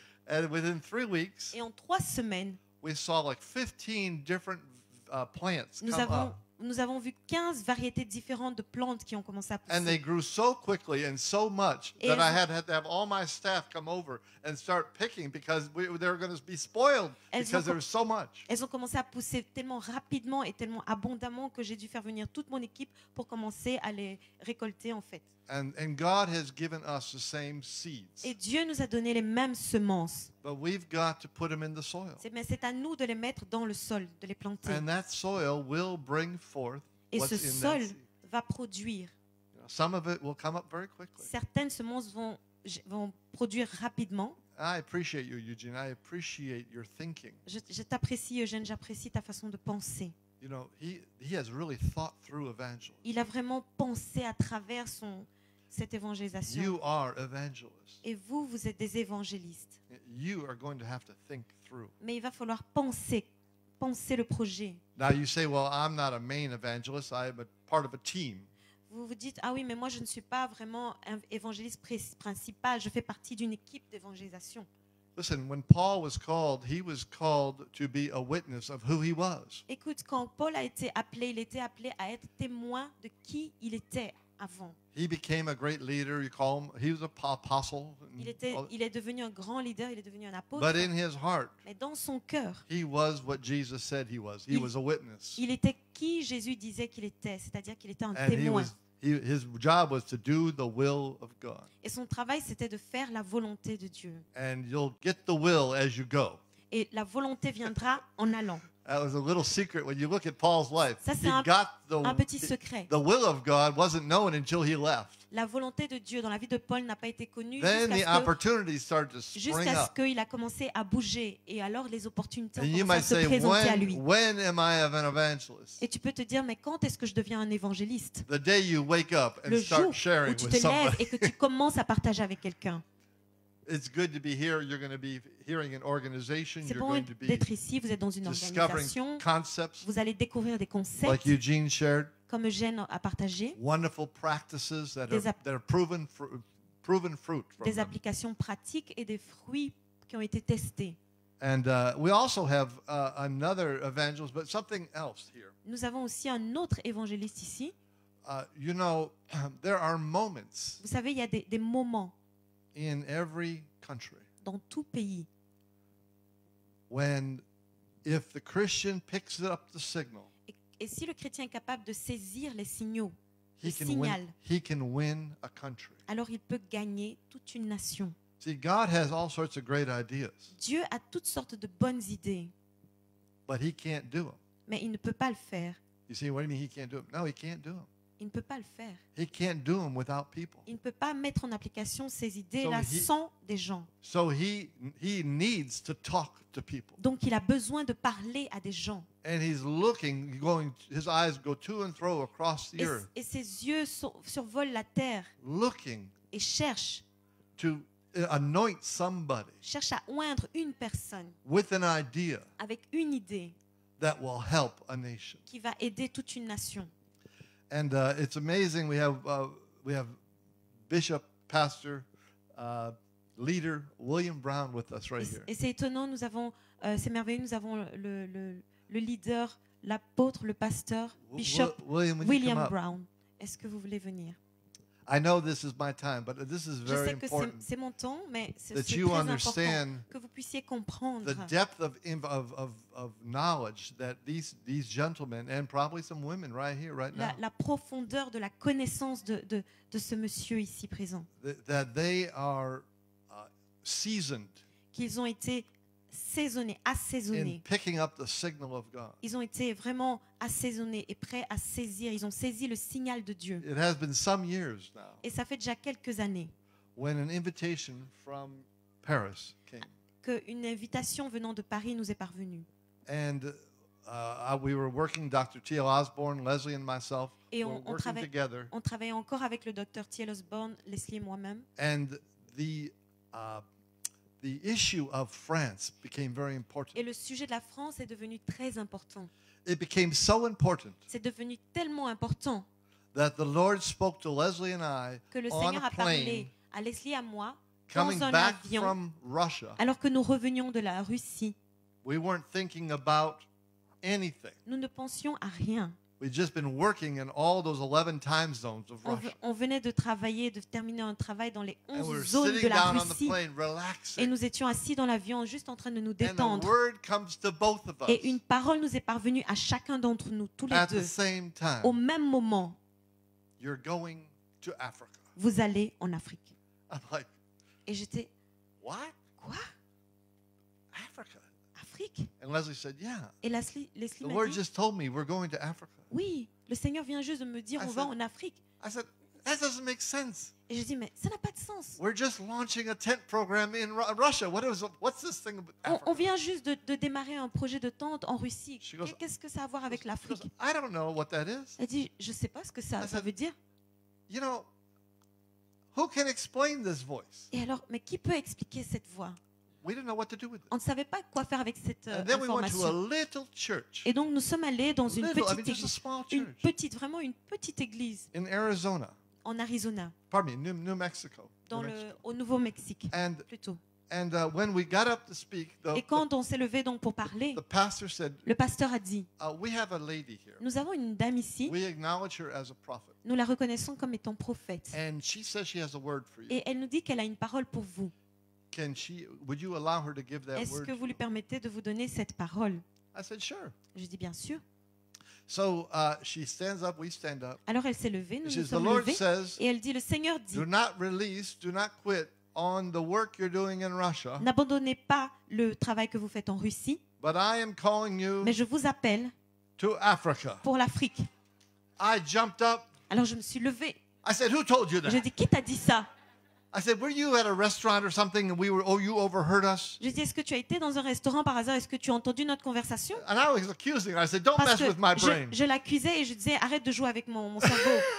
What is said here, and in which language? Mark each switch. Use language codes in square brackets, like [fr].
[en] And within 3 weeks, [fr] et en 3 semaines, [en] we saw like 15 different, plants [fr] nous, [en] come [fr] avons, [en] up. [fr] Nous avons vu 15 variétés différentes de plantes qui ont commencé à pousser. [en] And they grew so quickly and so much et that I had to have all my staff come over and start picking because they were going to be spoiled because there was so much. [fr] Elles ont commencé à pousser tellement rapidement et tellement abondamment que j'ai dû faire venir toute mon équipe pour commencer à les récolter en fait. [en] And God has given us the same seeds. [fr] Et Dieu nous a donné les mêmes semences. [en] But we've got to put them in the soil. [fr] C'est à nous de les mettre dans le sol, de les planter. [en] And that soil will bring forth [fr] et [en] what's [fr] ce [en] in [fr] sol [en] that seed. [fr] Va produire. [en] Some of it will come up very quickly. [fr] Certaines semences vont produire rapidement. [en] I appreciate you, Eugene. I appreciate your thinking. [fr] Je t'apprécie, Eugène. J'apprécie ta façon de penser. [en] You know, he has really thought through evangelism. [fr] Il a vraiment pensé à travers cette évangélisation. [en] You are evangelists. [fr] Et vous êtes des évangélistes. [en] You are going to have to think through. [fr] Mais il va falloir penser le projet. [en] Now you say, well, I'm not a main evangelist. I'm a part of a team. [fr] Vous vous dites, ah oui, mais moi je ne suis pas vraiment un évangéliste principal. Je fais partie d'une équipe d'évangélisation. [en] Listen, when Paul was called, he was called to be a witness of who he was. [fr] Écoute, quand Paul a été appelé, il était appelé à être témoin de qui il était avant. [en] He became a great leader, you call him, he was an apostle. [fr] Il est devenu un grand leader, il est devenu un apôtre. [en] But in his heart, [fr] mais dans son cœur, [en] he was what Jesus said he was. He was a witness. [fr] Il était qui Jésus disait qu'il était, c'est-à-dire qu'il était un [en] and [fr] témoin. [en] His job was to do the will of God. [fr] Et son travail c'était de faire la volonté de Dieu. [en] And you'll get the will as you go. [fr] Et la volonté viendra en allant. [en] That was a little secret when you look at Paul's life. [fr] Ça, c'est un petit secret. [en] The will of God wasn't known until he left. [fr] La volonté de Dieu dans la vie de Paul n'a pas été connue jusqu'à ce qu'il a commencé à bouger et alors les opportunités ont commencé à se présenter à lui. [en] When am I an evangelist? [fr] Et tu peux te dire, mais quand est-ce que je deviens un évangéliste? [en] The day you wake up and start sharing with somebody. [fr] Le jour où tu te lèves et que tu commences à partager avec quelqu'un. [en] It's good to be here. You're going to be hearing an organization. [fr] C'est bon [en] you're going to be [fr] d'être ici. Vous êtes dans une organisation. [en] Concepts, [fr] vous allez découvrir des concepts. [en] Like Eugene shared. [fr] Comme Eugene a partagé. [en] Wonderful practices that are proven fruit. [fr] Des applications pratiques et des fruits qui ont été testés. [en] And we also have another evangelist, but something else here. [fr] Nous avons aussi un autre évangéliste ici. [en] You know, there are moments. [fr] Vous savez, il y a des moments. [en] In every country, [fr] dans tout pays, [en] when if the Christian picks up the signal, [fr] et si le chrétien est capable de saisir les signaux, [en] he can win a country. [fr] Alors il peut gagner toute une nation. [en] See, God has all sorts of great ideas. [fr] Dieu a toutes sortes de bonnes idées. [en] But he can't do them. [fr] Mais il ne peut pas le faire. [en] You see, what do you mean he can't do them? No, he can't do them. [fr] Il ne peut pas le faire. [en] He can't do them without people. [fr] Il ne peut pas mettre en application ces idées-là sans des gens. [en] So he needs to talk to people. [fr] Donc il a besoin de parler à des gens. [en] And he's looking, going, his eyes go to and fro across the earth. [fr] Et ses yeux survolent la terre. [en] Looking. [fr] Et cherche. [en] To anoint somebody. [fr] Cherche à oindre une personne. [en] With an idea. [fr] Avec une idée. [en] That will help a nation. [fr] Qui va aider toute une nation. [en] And it's amazing. We have Bishop, Pastor, Leader William Brown with us right here. [fr] Et c'est étonnant. Nous avons, c'est merveilleux. Nous avons le leader, l'apôtre, le pasteur, Bishop William Brown. Est-ce que vous voulez venir? [en] I know this is my time, but this is very important. [fr] Je sais que c'est mon temps, mais c'est très important que vous puissiez comprendre [en] the depth of knowledge that these gentlemen and probably some women right here right now. [fr] La profondeur de la connaissance de ce monsieur ici présent. [en] That they are seasoned. [fr] Qu'ils ont été saisonnés, assaisonnés. [en] In picking up the signal of God. [fr] Ils ont été vraiment assaisonnés et prêts à saisir. Ils ont saisi le signal de Dieu. [en] It has been some years now. [fr] Et ça fait déjà quelques années. [en] When an invitation from Paris came. [fr] Que une invitation venant de Paris nous est parvenue. [en] And we were working, Dr. T.L. Osborne, Leslie and myself. [fr] Et [en] we were working together. [fr] On travaillait encore avec le Dr. T.L. Osborne, Leslie et moi-même. [en] And the issue of France became very important. [fr] Et le sujet de la France est devenu très important. [en] It became so important. [fr] C'est devenu tellement important. [en] That the Lord spoke to Leslie and I [fr] que le Seigneur a parlé à Leslie et à moi [en] coming [fr] dans un [en] back [fr] avion [en] from Russia. [fr] Alors que nous revenions de la Russie. [en] We weren't thinking about anything. [fr] Nous ne pensions à rien. [en] We'd just been working in all those 11 time zones of Russia. [fr] On venait de travailler, de terminer un travail dans les 11 zones de la Russie. [en] And we were sitting down on the plane, relaxing. [fr] Et nous étions assis dans l'avion, juste en train de nous détendre. [en] And the word comes to both of us. [fr] Et une parole nous est parvenue à chacun d'entre nous, tous les deux. [en] At the same time. [fr] Au même moment. [en] You're going to Africa. [fr] Vous allez en Afrique. [en] I'm like, [fr] et j'étais, [en] what? [fr] Quoi? [en] Africa. [fr] Afrique. [en] And Leslie said, yeah. [fr] Et Leslie [en] the Lord just told me we're going to Africa. [fr] Oui, le Seigneur vient juste de me dire on va en Afrique. [en] I said, that doesn't make sense. [fr] Et je dis mais ça n'a pas de sens. [en] We're just launching a tent program in Russia. What's this thing about Africa? [fr] On vient juste de démarrer un projet de tente en Russie. Qu'est-ce que ça a à voir avec l'Afrique? [en] I don't know what that is. [fr] Elle dit je sais pas ce que ça veut dire. [en] You know, who can explain this voice? [fr] Et alors mais qui peut expliquer cette voix? [en] We didn't know what to do with it. [fr] On ne savait pas quoi faire avec cette information. Et donc nous sommes allés dans [en] little, [fr] une petite église, [en] I mean, just a small church. [fr] Une petite, vraiment une petite église. [en] In Arizona. [fr] En Arizona. [en] Pardon me, New Mexico. [fr] Dans [en] New [fr] Mexico. Au Nouveau-Mexique. [en] And, [fr] plutôt. [en] And when we got up to speak, [fr] on s'est levé donc pour parler, [en] the pastor said, [fr] le pasteur a dit, [en] we have a lady here. [fr] Nous avons une dame ici. [en] We acknowledge her as a prophet. [fr] Nous la reconnaissons comme étant prophète. [en] And she says she has a word for you. [fr] Et elle nous dit qu'elle a une parole pour vous. [en] Can she? Would you allow her to give that [fr] Est-ce [en] word? [fr] Est-ce que vous lui permettez de vous donner cette parole? [en] I said sure. [fr] Je dis bien sûr. [en] So she stands up. We stand up. [fr] Alors elle s'est levée. Nous [en] she [fr] nous sommes levés. [en] Says, [fr] et elle dit, le Seigneur dit, [en] do not release, do not quit on the work you're doing in Russia. [fr] N'abandonnez pas le travail que vous faites en Russie. [en] But I am calling you [fr] Mais je vous appelle [en] to Africa. [fr] Pour l'Afrique. [en] I jumped up. [fr] Alors je me suis levée. [en] I said, Who told you that? [fr] Je dis, qui t'a dit ça? [en] I said, were you at a restaurant or something and you overheard us? [fr] Je dis, est-ce que tu as été dans un restaurant par hasard? Est-ce que tu as entendu notre conversation? [en] And I was accusing her. I said, don't mess with my brain. [fr] Je l'accusais et je disais, arrête de jouer avec mon cerveau.